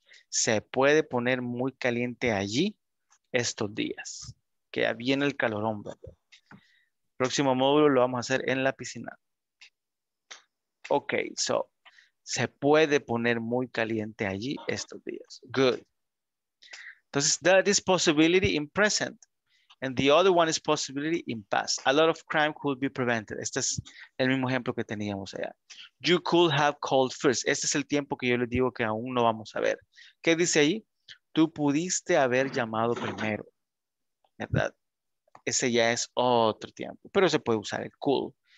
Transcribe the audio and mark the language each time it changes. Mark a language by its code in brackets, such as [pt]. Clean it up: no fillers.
[es] Se puede poner muy caliente allí estos días. Que ya viene el calorón, ¿verdad? Próximo módulo lo vamos a hacer en la piscina. Ok, so, se puede poner muy caliente allí estos días. [en] Good. Entonces, that is possibility in present. And the other one is possibility in past. A lot of crime could be prevented. [es] Este es el mismo ejemplo que teníamos allá. [en] You could have called first. [es] Este es el tiempo que yo les digo que aún no vamos a ver. ¿Qué dice ahí? Tú pudiste haber llamado primero. ¿Verdad? Ese ya es otro tiempo. Pero se puede usar el could.